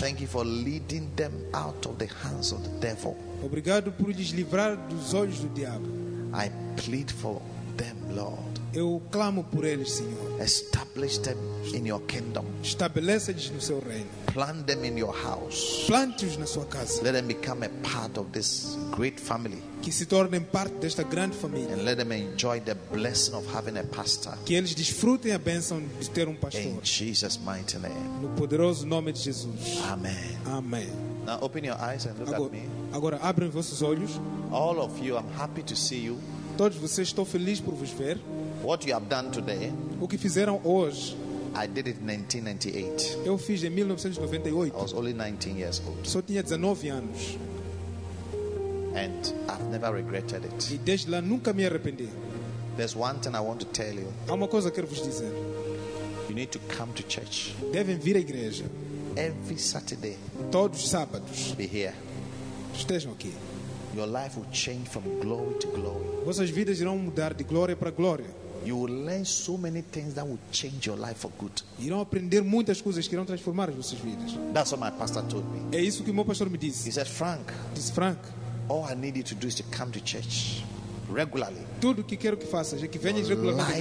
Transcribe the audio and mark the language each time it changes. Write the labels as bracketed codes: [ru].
[en] Thank you for leading them out of the hands of the devil. [pt] Obrigado por lhes livrar dos olhos do diabo. [en] I plead for them, Lord. [pt] Eu clamo por eles, Senhor. [en] Establish them in your kingdom. [pt] Estabelece-lhes no seu reino. [en] Plant them in your house. [pt] Plante-os na sua casa. [en] Let them become a part of this great family. [pt] Que se tornem parte desta grande família. [en] And let them enjoy the blessing of having a pastor. [pt] Que eles desfrutem a bênção de ter um pastor. [en] In Jesus' mighty name. [pt] No poderoso nome de Jesus. [en] Amen. [pt] Amen. [en] Now open your eyes and look [pt] agora, [en] at me. [pt] Agora abrem vossos olhos. [en] All of you, I'm happy to see you. [pt] Todos vocês, estou feliz por vos ver. [en] What you have done today? [pt] O que fizeram hoje? [en] I did it in 1998. [pt] Eu fiz em 1998. [en] I was only 19 years old. [pt] Só tinha 19 anos. [en] And I've never regretted it. [pt] E desde lá nunca me arrependi. [en] There's one thing I want to tell you. [pt] Há uma coisa que quero vos dizer. [en] You need to come to church. [pt] Devem vir à igreja. [en] Every Saturday. [pt] Todos os sábados. [en] Be here. [pt] Estejam aqui. [en] Your life will change from glory to glory. [pt] Vossas vidas irão mudar de glória para glória. [en] You will learn so many things that will change your life for good. [pt] Irão aprender muitas coisas que irão transformar as vossas vidas. [en] That's what my pastor told me. [pt] É isso que o meu pastor me disse. [en] He said, Frank. [pt] Disse, Frank. [en] All I need you to do is to come to church regularly. [pt] Tudo que quero que faças é que venhas regularmente.